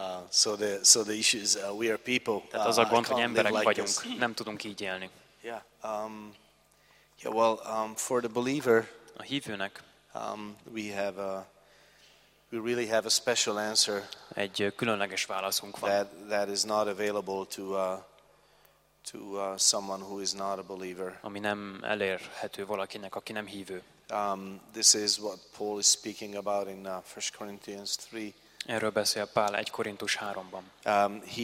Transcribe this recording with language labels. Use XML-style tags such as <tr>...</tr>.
<en>so the issue is we are people.</en> <hu>Tehát az a gond, hogy emberek vagyunk, like nem tudunk így élni.</hu> <en>Yeah. For the believer,</en> <hu>a hívőnek,</hu> <en>we really have a special answer.</en> <hu>Egy különleges válaszunk van.</hu> <en>That is not available to someone who is not a believer.</en> <hu>Ami nem elérhető valakinek, aki nem hívő.</hu> <en>This is what Paul is speaking about in 1 Corinthians 3.</en> <hu>Erről beszél Pál 1 Korintus 3-ban.</hu>